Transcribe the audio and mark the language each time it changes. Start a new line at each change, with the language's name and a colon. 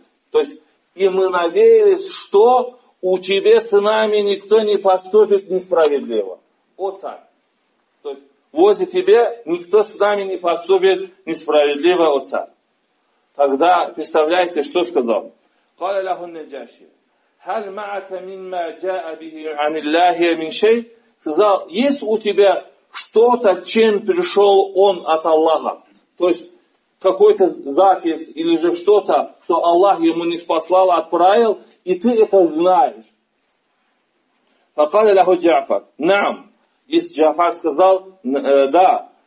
Russian: То есть и мы надеялись, что у тебя с нами никто не поступит несправедливо. О царь. То есть возле тебя никто с нами не поступит несправедливо, о царь. Тогда представляете, что сказал.
Arabic: قال له النجاشي هل معك مما جاء به عن الله من شيء?
Russian: Сказал, есть у тебя что-то, чем пришел он от Аллаха? То есть какой-то запись или же что-то, что Аллах ему не спасал, отправил, и ты это знаешь.
Arabic: Факал аляху Джафар.
Russian: Нам. И Джафар сказал, да.